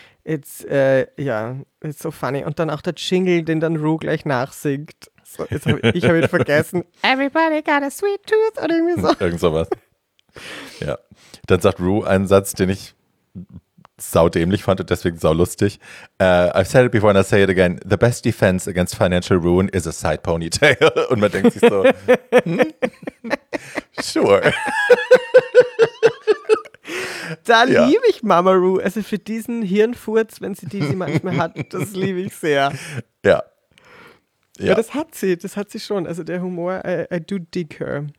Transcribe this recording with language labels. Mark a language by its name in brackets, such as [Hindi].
[German] It's so funny. Und dann auch der Jingle, den dann Ru gleich nachsingt. So, ich hab ihn vergessen. [English] Everybody got a sweet tooth oder irgendwie so. [German] Irgend sowas. Ja. Dann sagt Ru einen Satz, den ich saudämlich fand und deswegen saulustig. [English] I've said it before and I'll say it again. The best defense against financial ruin is a side ponytail. [German] Und man denkt sich so, sure. Da liebe ich Mama Ru. Also für diesen Hirnfurz, wenn sie die manchmal hat, das liebe ich sehr. Ja. Ja. Ja, das hat sie schon. Also der Humor, I do dig her.